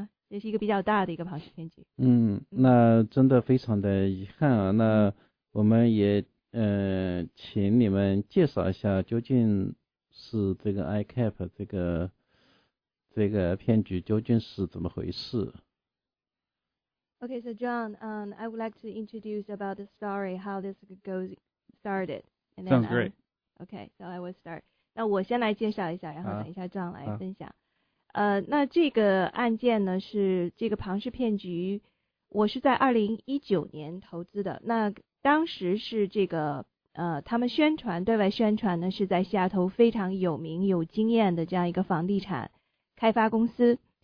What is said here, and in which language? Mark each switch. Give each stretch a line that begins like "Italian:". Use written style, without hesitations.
Chinese: 这是一个比较大的一个庞氏骗局。那真的非常的遗憾啊。那我们也请你们介绍一下究竟是这个 ICAP 这个骗局究竟是怎么回事。
English: Okay, so John, I would like to introduce about the story, how this goes started. And then, sounds great. Okay, so I will start.
Chinese: 那我先来介绍一下，然后等一下John来分享。那这个案件呢，是这个庞氏骗局，我是在2019年投资的。那当时是这个他们宣传，对外宣传呢，是在西雅图非常有名、有经验的这样一个房地产开发公司。